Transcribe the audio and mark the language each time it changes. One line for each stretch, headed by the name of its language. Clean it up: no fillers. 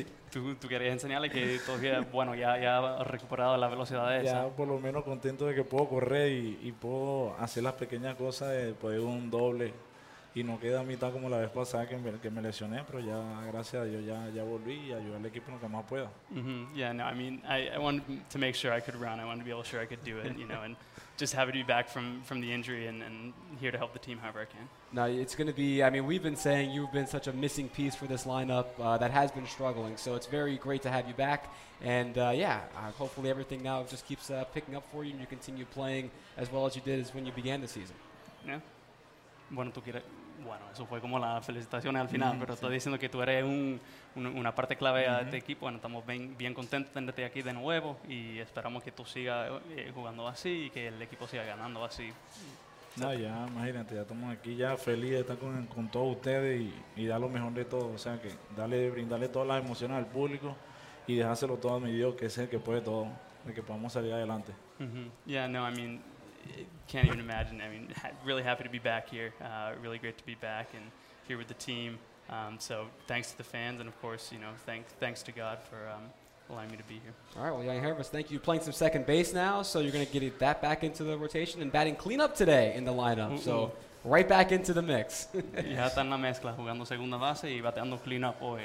Spanish: Tú querías enseñarle que todavía, bueno, ya ha recuperado la velocidad esa. Ya por lo menos contento de que puedo correr y puedo hacer las pequeñas cosas de poder un doble. Y no queda a mitad como la vez pasada que me lesioné, pero ya, gracias a Dios, ya volví y ayudé al equipo en lo que más pueda. Mm-hmm.
English: Yeah, no, I mean, I wanted to make sure I could run. I wanted to be able to sure I could do it, you know, and just happy to be back from the injury and here to help the team however I can. No, it's going to be, I mean, we've been saying you've been such a missing piece for this lineup that has been struggling. So it's very great to have you back. And, hopefully everything now just keeps picking up for you and you continue playing as well as you did as when you began the season.
Spanish: Yeah. Bueno, tú quieres. Bueno, eso fue como las felicitaciones al final, pero sí. Estoy diciendo que tú eres una parte clave de este equipo. Bueno, estamos bien contentos de tenerte aquí de nuevo y esperamos que tú sigas jugando así y que el equipo siga ganando así. No, ya, imagínate, ya estamos aquí ya feliz de estar con todos ustedes y dar lo mejor de todo. O sea, que brindarle todas las emociones al público y dejárselo todo a mi Dios, que es el que puede todo, el que podamos salir adelante.
English: Mm-hmm. Yeah, no, I mean, can't even imagine. I mean, really happy to be back here. Really great to be back and here with the team. So thanks to the fans and, of course, you know, thanks to God for allowing me to be here. All right, well, Yanni Hervis, thank you. Playing some second base now, so you're going to get that back into the rotation and batting cleanup today in the lineup. Mm-hmm. So right back into the mix.
Spanish: Ya está en la mezcla, jugando segunda base y bateando cleanup hoy.